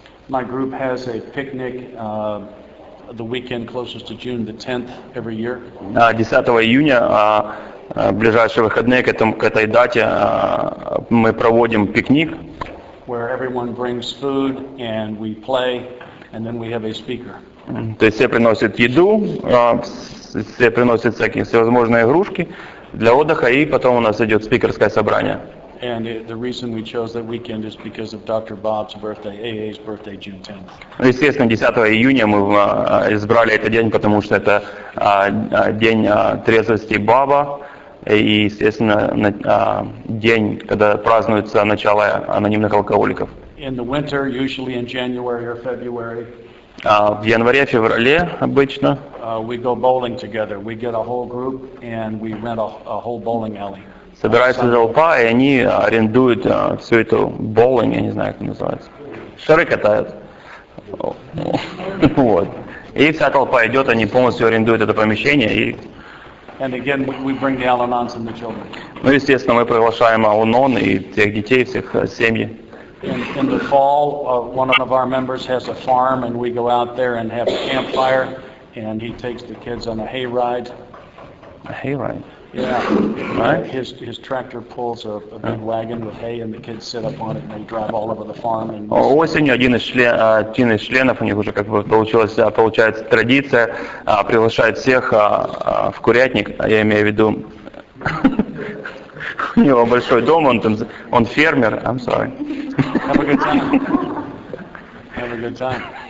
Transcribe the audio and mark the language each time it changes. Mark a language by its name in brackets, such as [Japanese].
[English] My group has a picnic the weekend closest to June the 10th every year. [Russian] 10 июня ближайшие выходные к этой дате мы проводим пикник. [English] Where everyone brings food and we play and then we have a speaker. [Russian] То есть все приносят еду, все приносят всякие всевозможные игрушки для отдыха, и потом у нас идет спикерское собрание. [English] And the reason we chose that weekend is because of Dr. Bob's birthday, AA's birthday, June 10th. [Russian] Естественно, 10 июня мы избрали этот день, потому что это день трезвости Баба, и, естественно, день, когда празднуется начало анонимных алкоголиков. [English] In the winter, usually in January or February. [Russian] В январе-феврале обычно. [English] We go bowling together. We get a whole group and we rent a whole bowling alley. [Russian] собирается толпа, и они арендуют всю эту боулинг, я не знаю, как это называется. Шары катают. Вот. И вся толпа идет, они полностью арендуют это помещение. И... [English] And again, we bring the Al-Anons and the children. [Russian] Ну, естественно, мы приглашаем Al-Anon и тех детей, всех семьи. [English] In the fall, one of our members has a farm, and we go out there and have a campfire, and he takes the kids on a hayride. A hayride? Yeah. Right. His tractor pulls a big wagon with hay, and the kids sit up on it, and they drive all over the farm. And [Russian] осенью один из членов, у них уже как бы получается традиция, приглашает всех в курятник, я имею в виду... У него большой дом, он там, он фермер. [English] I'm sorry. Have a good time. Have a good time.